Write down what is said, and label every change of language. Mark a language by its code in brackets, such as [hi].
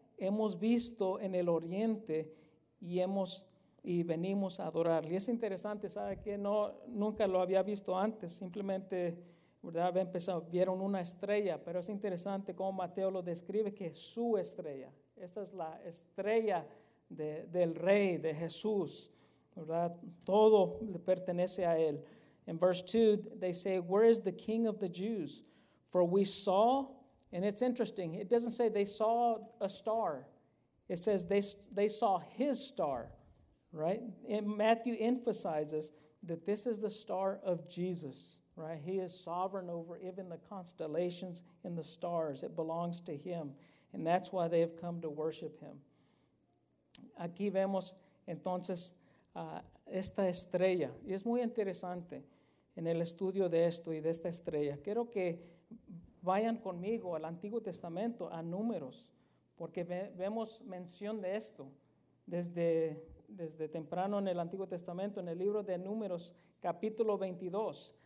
[es] hemos visto en el oriente y venimos a adorarle. Y es interesante, ¿sabe qué? No, nunca lo había visto antes, simplemente, ¿verdad? Había empezado, vieron una estrella, pero es interesante cómo Mateo lo describe, que es su estrella. Esta es la estrella del Rey, de Jesús, ¿verdad? Todo le pertenece a Él. [en] In verse 2, they say, "Where is the King of the Jews? For we saw," and it's interesting, it doesn't say they saw a star. It says they saw His star, right? And Matthew emphasizes that this is the star of Jesus, right? He is sovereign over even the constellations and the stars. It belongs to Him. And that's why they have come to worship Him. [es] Aquí vemos, entonces, esta estrella. Y es muy interesante en el estudio de esto y de esta estrella. Quiero que vayan conmigo al Antiguo Testamento, a Números, porque vemos mención de esto desde temprano en el Antiguo Testamento, en el libro de Números, capítulo 22.